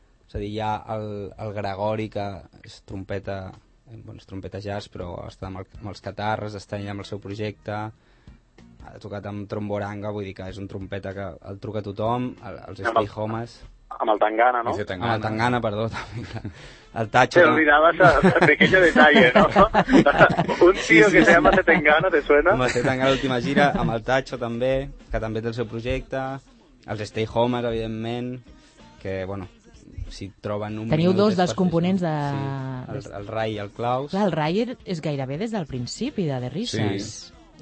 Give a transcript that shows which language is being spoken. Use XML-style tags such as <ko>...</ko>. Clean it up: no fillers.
<ca>És a dir, hi ha el Gregori, que és trompeta, bueno, és trompeta jazz, però està amb els Catarres, està allà amb el seu projecte, ha tocat amb Tromboranga, vull dir que és un trompeta que el truca a tothom, els Spy Homes... Amb el Tangana, no? Tangana. Amb el Tangana, perdó, també. El Tacho...</ca> <es>Te olvidaves de aquella detalle, no? Un tio que se llama Se Tangana, ¿te suena?</es> <ca>Amb el Se Tangana, l'última gira, amb el Tacho també, que també té el seu projecte, els Stay Homes, evidentment, que, bueno... Si troben un... Teniu dos dels components de... Sí, el Rai i el Klaus. Clar, el Rai és gairebé des del principi de The Rises. Sí.</ca>